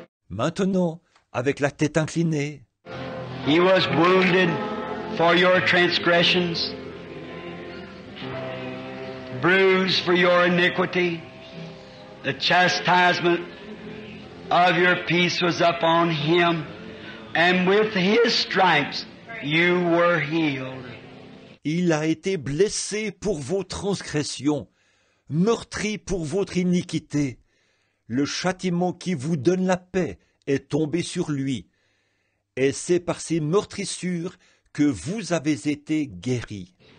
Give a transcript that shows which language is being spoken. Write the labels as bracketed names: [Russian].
[French] Maintenant, avec la tête inclinée. [English] He was wounded for your transgressions, bruised for your iniquity. The chastisement of your peace was upon him, and with his stripes you were healed. [French] Il a été blessé pour vos transgressions, meurtri pour votre iniquité. Le châtiment qui vous donne la paix est tombé sur lui. Et c'est par ses meurtrissures que vous avez été guéri.